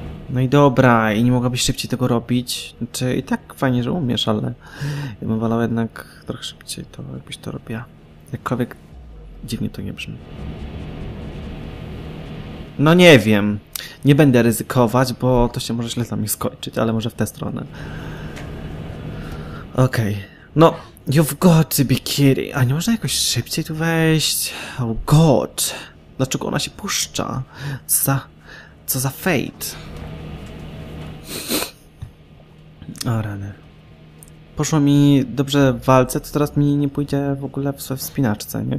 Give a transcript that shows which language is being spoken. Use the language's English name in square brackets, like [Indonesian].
[Polish] No i dobra, i nie mogłabyś szybciej tego robić. Znaczy, i tak fajnie, że umiesz, ale ja bym wolał jednak trochę szybciej to, jakbyś to robiła. Jakkolwiek dziwnie to nie brzmi. No nie wiem. Nie będę ryzykować, bo to się może źle za mnie skończyć, ale może w tę stronę. Okej. [English] No, you've got to be kidding. [Polish] A nie można jakoś szybciej tu wejść? [English] Oh god. [Polish] Dlaczego ona się puszcza? Co za fate? O rany. Poszło mi dobrze w walce, to teraz mi nie pójdzie w ogóle w wspinaczce, nie?